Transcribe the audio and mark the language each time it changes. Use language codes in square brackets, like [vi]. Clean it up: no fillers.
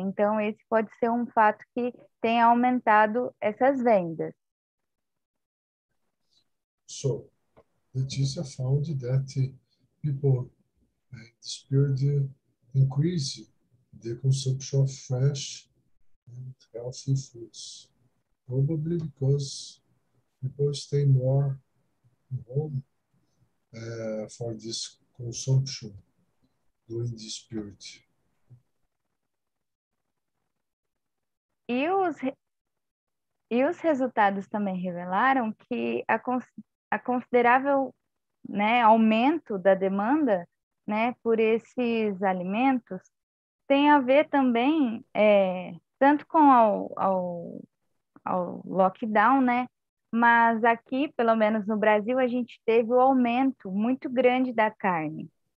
[pt] Então, esse pode ser um fato que tenha aumentado essas vendas. [en] So, Letícia found that people in this period increase the consumption of fresh and healthy foods. Probably because people stay more at home for this consumption during this period. [pt] E os resultados também revelaram que a considerável, né, aumento da demanda, né, por esses alimentos tem a ver também tanto com ao lockdown, né, mas aqui, pelo menos no Brasil, a gente teve o aumento muito grande da carne.